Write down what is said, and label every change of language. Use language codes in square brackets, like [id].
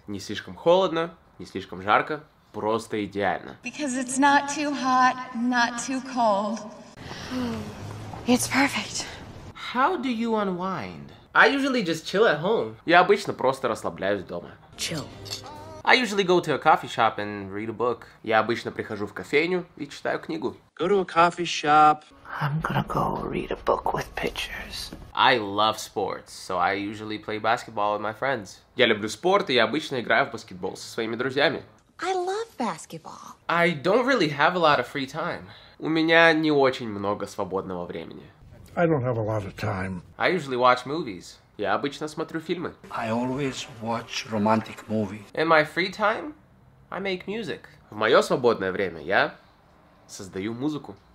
[ru] Не слишком холодно, не слишком жарко, просто идеально. [en] Because it's not too hot, not too cold. It's perfect. How do you unwind? I usually just chill at home. [ru] Я обычно просто расслабляюсь дома. [en] Chill. I usually go to a coffee shop and read a book. [ru] Я обычно прихожу в кофейню и читаю книгу. [en] Go to a coffee shop. I'm gonna go read a book with pictures. I love sports, so I usually play basketball with my friends. [ru] Я люблю спорт, и я обычно играю в баскетбол со своими друзьями. [en] I love basketball. I don't really have a lot of free time. [ru] У меня не очень много свободного времени. [en] I don't have a lot of time. I usually watch movies. [ru] Я обычно смотрю фильмы. [en] I always watch romantic movie. In my free time, I make music. [ru] В мое свободное время я создаю музыку.